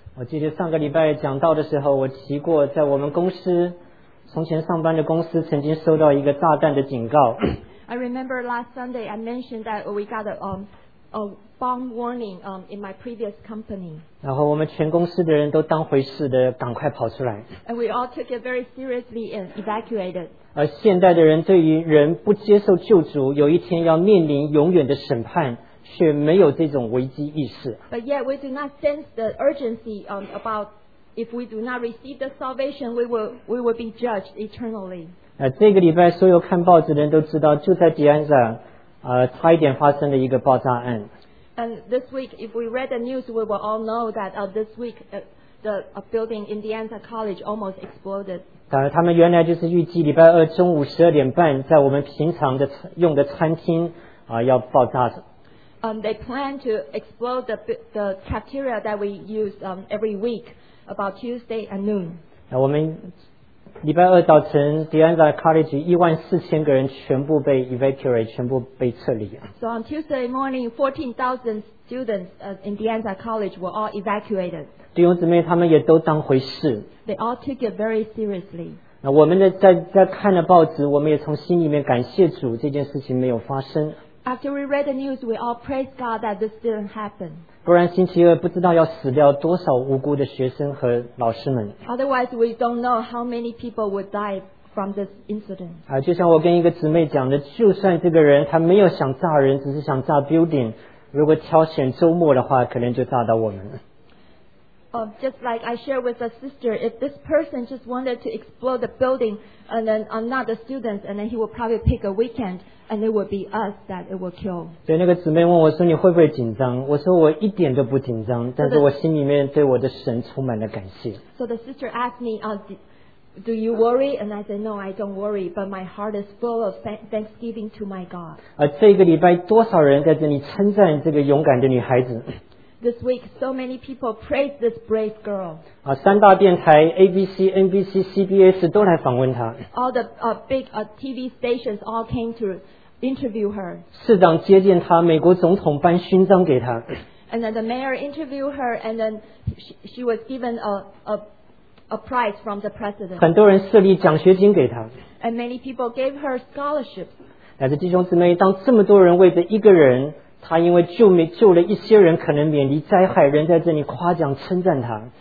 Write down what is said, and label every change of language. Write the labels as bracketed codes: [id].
[zh] 我记得上个礼拜讲到的时候，我提过，在我们公司从前上班的公司曾经收到一个炸弹的警告。 [en] I remember last Sunday I mentioned that we got a bomb warning in my previous company. [zh] 然后我们全公司的人都当回事的，赶快跑出来。 [en] And we all took it very seriously and evacuated. [zh] 而现代的人对于人不接受救主，有一天要面临永远的审判。却没有这种危机意识。 [en] But yet we do not sense the urgency about if we do not receive the salvation, we will be judged eternally. [zh] 这个礼拜所有看报纸的人都知道，就在迪安萨，差一点发生了一个爆炸案。 [en] And this week, if we read the news, we will all know that this week the building in Indiana College almost exploded. [zh] 当然，他们原来就是预计礼拜二中午十二点半在我们平常的用的餐厅要爆炸。 [en] They plan to explode the cafeteria that we use every week about Tuesday at noon. [zh] 我们礼拜二早晨 Dianza College 14,000人全部被 evacuate， 全部被撤离。 [en] So on Tuesday morning, 14,000 students in Dianza College were all evacuated. [zh] 弟兄姊妹他们也都当回事。 [en] They all took it very seriously. [zh] 我们在看了报纸，我们也从心里面感谢主，这件事情没有发生。 [en] After we read the news, we all praise God that this didn't happen. [zh] 不然星期二不知道要死掉多少无辜的学生和老师们。 [en] Otherwise, we don't know how many people would die from this incident. [zh] 就像我跟一个姊妹讲的，就算这个人他没有想炸人，只是想炸 building， 如果挑选周末的话，可能就炸到我们了。 [en] Just like I shared with a sister, if this person just wanted to explode the building and then not the students, and then he would probably pick a weekend. And it will be us that it will kill. [zh] 所以那个姊妹问我说：“你会不会紧张？” 我说：“我一点都不紧张，但是我心里面对我的神充满了感谢。 [en] ”So the sister asked me, "Do you worry?" And I said, "No, I don't worry. But my heart is full of thanksgiving to my God." [zh] 这个礼拜多少人在这里称赞这个勇敢的女孩子 [en] ？This week, so many people praise this brave girl. [zh] 三大电台 ABC、NBC、CBS 都来访问她。 [en] All the big TV stations all came to. Interview her. [zh] 市长接见她，美国总统颁勋章给她。 [en] And then the mayor interviewed her, and then she was given a prize from the president. [zh] 很多人设立奖学金给她。 [en] And many people gave her scholarships. [zh] 但是弟兄姊妹，当这么多人为着一个人他因为救了一些人可能免离灾害，人在这里夸奖称赞他。